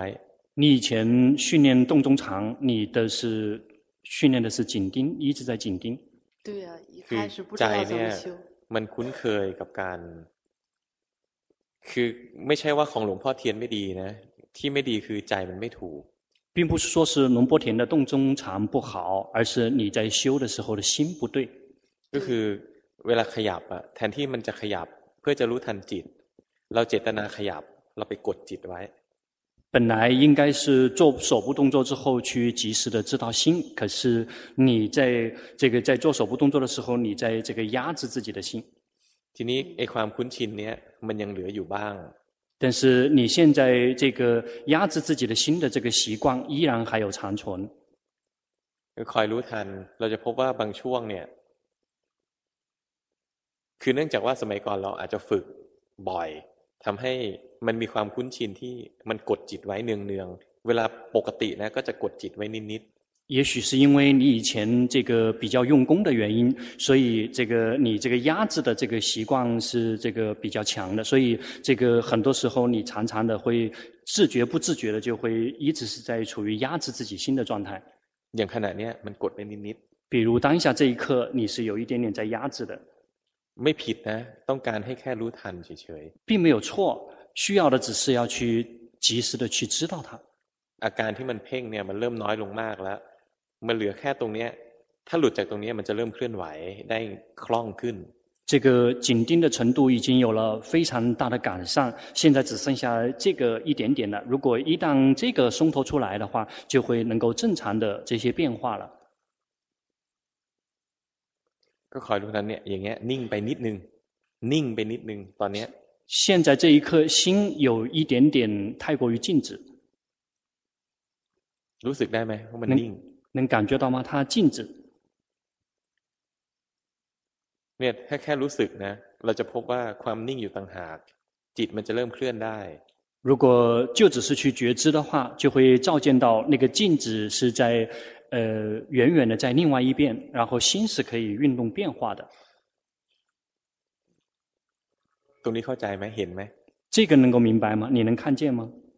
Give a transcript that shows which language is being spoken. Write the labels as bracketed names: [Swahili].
[Chinese] 你以前训练洞中禅你的是训练的是紧盯一直在紧盯 [Thai] คือ ใจเนี่ยมันคุ้นเคยกับการคือไม่ใช่ว่าของหลวงพ่อเทียนไม่ดีนะที่ไม่ดีคือใจมันไม่ถูก [Chinese] 并不是说是龙波田的洞中禅不好而是你在修的时候的心不对 [Thai] ก็คือเวลาขยับอะแทนที่มันจะขยับเพื่อจะรู้ทันจิตเราเจตนาขยับเราไปกดจิตไว้ [Chinese] 本来应该是做手部动作之后去及时的知道心，可是你在这个在做手部动作的时候，你在这个压制自己的心。 [Thai] ทีนี้ไอ้ความคุ้นชินเนี้ยมันยังเหลืออยู่บ้าง。 [Chinese] 但是你现在这个压制自己的心的这个习惯依然还有残存。 [Thai] คอยรู้ทันเราจะพบว่าบางช่วงเนี่ยคือเนื่องจากว่าสมัยก่อนเราอาจจะฝึกบ่อยทำให้มันมีความคุ้นชินที่มันกดจิตไว้เนืองๆเว เวลาปกตินะก็จะกดจิตไว้นิด [Chinese] ๆ也许是因为你以前这个比较用功的原因所以这个你这个压制的这个习惯是这个比较强的所以这个很多时候你常常的会自觉不自觉的就会一直是在处于压制自己心的状态 [Thai] อย่างขณะนี้มันกดไปนิด [Chinese] ๆ比如当下这一刻你是有一点点在压制的 [Thai] ไม่ผิดนะต้องการให้แค่รู้ทันเฉย [Chinese] ๆ并没有错需要的只是要去及时的去知道它 [Thai] อาการที่มันเพ่งเนี่ยมันเริ่มน้อยลงมากแล้วมันเหลือแค่ตรงนี้ถ้าหลุดจากตรงนี้มันจะเริ่มเคลื่อนไหวได้คล่องขึ้น [Chinese] 这个紧盯的程度已经有了非常大的改善现在只剩下这个一点点了如果一旦这个松脱出来的话就会能够正常的这些变化了 [Thai] ก็คอยดูตอนนี้อย่างเงี้ยนิ่งไปนิดนึงนิ่งไปนิดนึงตอนนี้ [Chinese] 现在这一刻心有一点点太过于静止 [Thai] รู้สึกได้ไหมว่ามันนิ่ง [Chinese] 能感觉到吗它静止 [Thai] เนี่ยแค่รู้สึกนะเราจะพบว่าความนิ่งอยู่ต่างหากจิตมันจะเริ่มเคลื่อนได้ [Chinese] 如果就只是去觉知的话就会照见到那个静止是在远远的在另外一边然后心是可以运动变化的 [Thai] ตรงนี้เข้าใจไหมเห็นไหม [Chinese] 这个能够明白吗你能看见吗